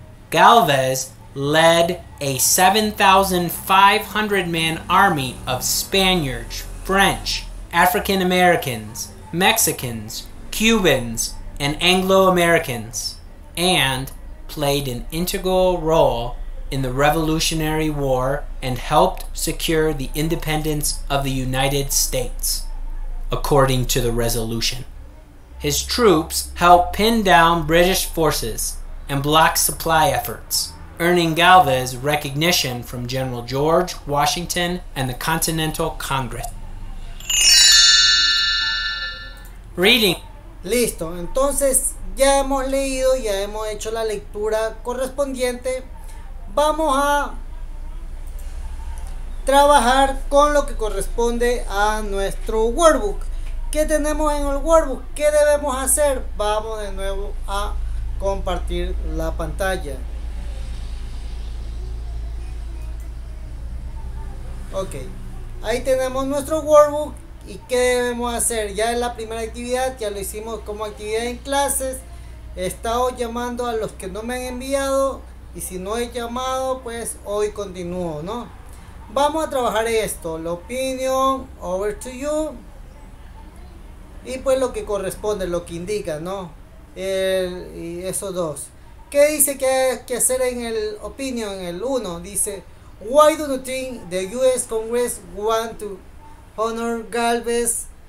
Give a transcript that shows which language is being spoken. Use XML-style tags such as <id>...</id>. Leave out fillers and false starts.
<en>Galvez led a 7,500-man army of Spaniards, French, African Americans, Mexicans, Cubans, and Anglo-Americans, and played an integral role in the Revolutionary War and helped secure the independence of the United States, according to the resolution. His troops helped pin down British forces and block supply efforts, earning Galvez recognition from General George Washington and the Continental Congress. Reading.</en> <es>Listo, entonces ya hemos leído, ya hemos hecho la lectura correspondiente. vamos a trabajar con lo que corresponde a nuestro workbook. ¿Qué tenemos en el workbook? ¿Qué debemos hacer? Vamos de nuevo a compartir la pantalla. Ok, ahí tenemos nuestro workbook. ¿Y qué debemos hacer? Ya en la primera actividad, ya lo hicimos como actividad en clases. He estado llamando a los que no me han enviado. Y si no he llamado, pues hoy continúo, ¿no? Vamos a trabajar esto. La opinión,</es> <en>over to you.</en> <es>Y pues lo que corresponde, lo que indica, ¿no? Y esos dos. ¿Qué dice que hay que hacer en el opinion, en el 1? Dice,</es> <en>why do you think the US Congress want to honor Galvez?</en>